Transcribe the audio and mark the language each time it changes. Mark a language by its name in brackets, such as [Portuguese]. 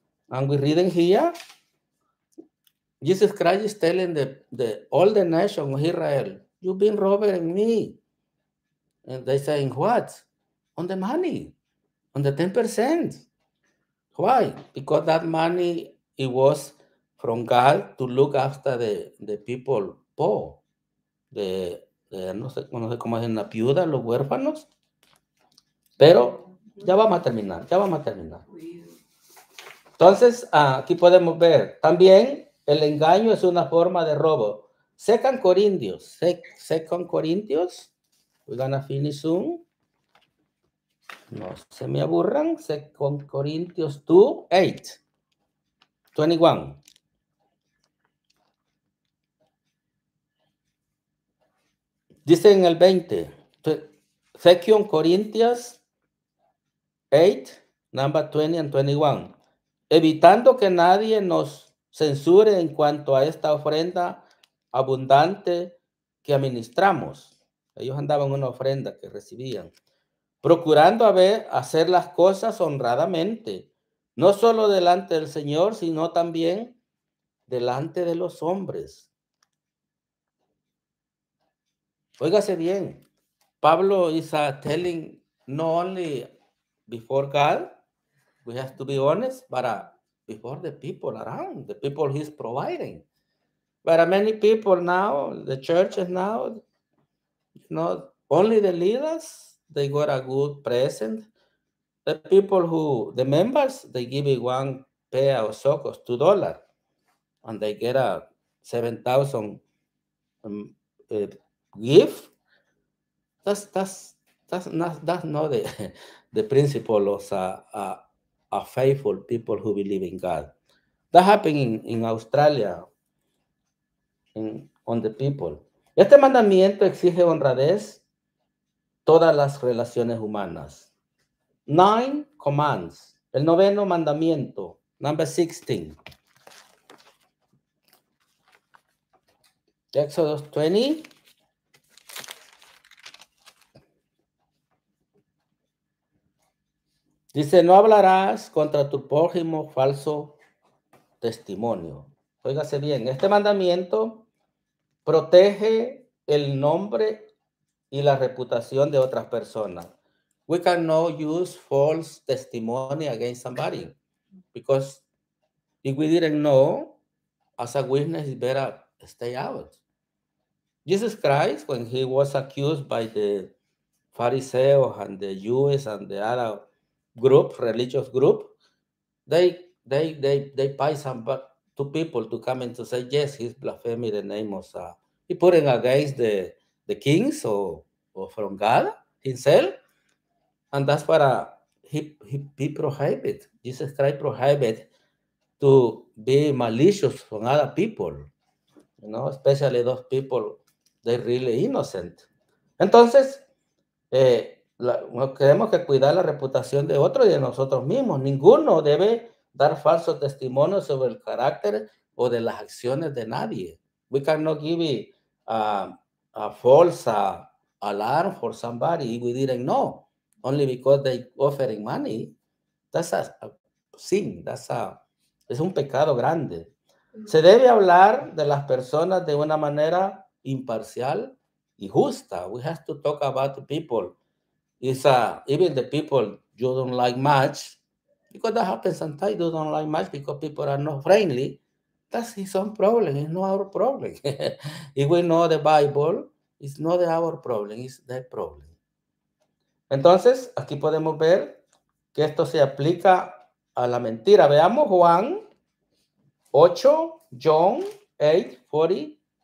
[English] And we're reading here. Jesus Christ is telling the all the nation of Israel, you've been robbing me. And they saying, what? On the money, on the 10%. Why? Because that money, it was from God to look after the people poor. [Spanish] No sé cómo es, la viuda, los huérfanos. Pero ya vamos a terminar, ya vamos a terminar. Entonces, aquí podemos ver también el engaño es una forma de robo. [English] Second Corinthians. We're going to finish soon. [Spanish] No se me aburran, 2 Corintios 2, 8, 21. Dice en el 20, 2 Corintios 8, [English] number 20 and 21. [Spanish] Evitando que nadie nos censure en cuanto a esta ofrenda abundante que administramos. Ellos andaban una ofrenda que recibían. Procurando hacer las cosas honradamente, no solo delante del Señor, sino también delante de los hombres. Óigase bien, [English] Pablo is telling not only before God, we have to be honest, but before the people around, the people he's providing. But many people now, the churches now, not only the leaders, they got a good present. The people who, the members, they give you one pair of socks, $2, and they get a 7,000 give. That's not the principle of a faithful people who believe in God. That happened in Australia, on the people. [Spanish] Este mandamiento exige honradez todas las relaciones humanas. [English] Nine commands. [Spanish] El noveno mandamiento, [English] number 16. Exodus 20. [Spanish] Dice, no hablarás contra tu prójimo falso testimonio. Óigase bien, este mandamiento protege el nombre y la reputación de otras personas. [English] We cannot use false testimony against somebody because if we didn't know, as a witness, you better stay out. Jesus Christ, when he was accused by the Pharisees and the Jews and the other group, religious group, they pay some two people to come and to say, yes, he's blaspheming the name of he put him against the kings or from God himself. And that's what he prohibited. Jesus Christ prohibited to be malicious from other people, you know, especially those people, they're really innocent. [Spanish] Entonces, queremos que cuidar la reputación de otros y de nosotros mismos. Ninguno debe dar falso testimonio sobre el carácter o de las acciones de nadie. [English] We cannot give a false alarm for somebody if we didn't know, only because they offering money. That's a sin. That's a, [Spanish] es un pecado grande. Se debe hablar de las personas de una manera imparcial y justa. [English] We have to talk about the people. It's even the people you don't like much, because that happens sometimes, you don't like much because people are not friendly. That's his own problem. It's not our problem. If we know the Bible, it's not our problem. It's their problem. [Spanish] Entonces, aquí podemos ver que esto se aplica a la mentira. Veamos Juan 8, John 8, 40.